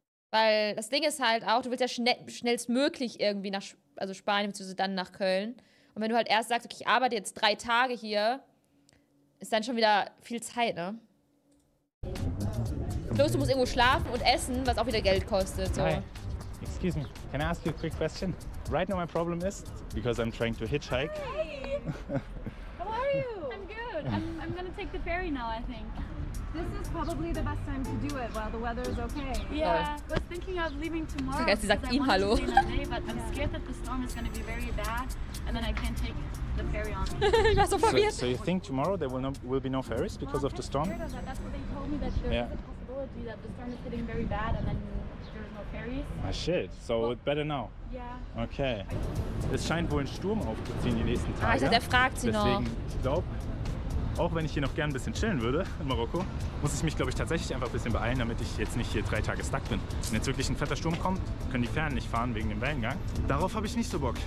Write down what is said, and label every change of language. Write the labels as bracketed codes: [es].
[de] Weil das Ding ist halt auch, du willst ja schnellstmöglich irgendwie nach also Spanien, beziehungsweise dann nach Köln. Und wenn du halt erst sagst, okay, ich arbeite jetzt 3 Tage hier, ist dann schon wieder viel Zeit, ne? Plus, du musst irgendwo schlafen und essen, was auch wieder Geld kostet. So. [en] Hi. Excuse me, can I ask you a quick question? Right now my problem is, because I'm trying to hitchhike. Hey! How are you? I'm good. Yeah. I'm gonna take the ferry now, I think. This is probably the best time to do it, while the weather is okay. Yeah. I was thinking of leaving tomorrow, because I wanted to stay in LA, but I'm scared that the storm is gonna be very bad, and then I can't take it. The ferry on. So you think tomorrow there will be no ferries because well, of the storm? Of that. That's what they told me, that there's a possibility that the storm is getting very bad and then there's no ferries. Ah shit, so well, better now. Yeah. Okay. [de] Es scheint wohl ein Sturm aufzuziehen die nächsten Tage. Ah, ich dachte, er fragt sie deswegen noch. Deswegen, ich glaube, auch wenn ich hier noch gern ein bisschen chillen würde in Marokko, muss ich mich, glaube ich, tatsächlich einfach ein bisschen beeilen, damit ich jetzt nicht hier 3 Tage stuck bin. Wenn jetzt wirklich ein fetter Sturm kommt, können die Fähren nicht fahren wegen dem Wellengang. Darauf habe ich nicht so Bock.